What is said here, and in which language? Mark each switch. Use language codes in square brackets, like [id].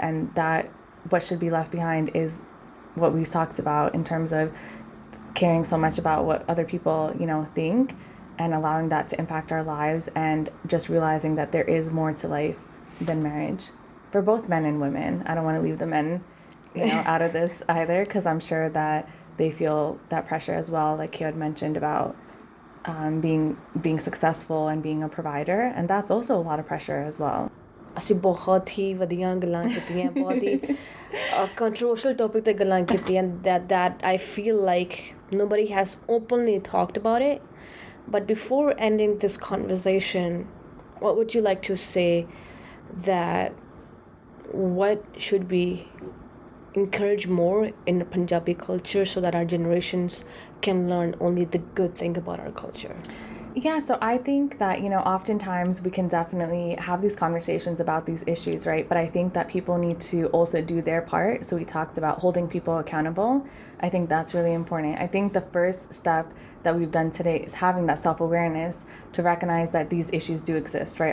[en] And that what should be left behind is what we've talked about in terms of caring so much about what other people, you know, think, and allowing that to impact our lives, and just realizing that there is more to life than marriage for both men and women. I don't want to leave the men, you know, out of this either, because I'm sure that they feel that pressure as well, like Keo had mentioned about being successful and being a provider, and that's also a lot of pressure as well. [pa] ਅਸੀਂ ਬਹੁਤ ਹੀ ਵਧੀਆ ਗੱਲਾਂ ਕੀਤੀਆਂ, ਬਹੁਤ ਹੀ controversial topic ਤੇ ਗੱਲਾਂ ਕੀਤੀਆਂ, [en] That I feel like nobody has openly talked about it. But before ending this conversation, what would you like to say, that what should be encourage more in Punjabi culture so that our generations can learn only the good thing about our culture? Yeah, so I think that, you know, oftentimes we can definitely have these conversations about these issues, right? But I think that people need to also do their part. So we talked about holding people accountable. I think that's really important. I think the first step that we've done today is having that self-awareness to recognize that these issues do exist, right?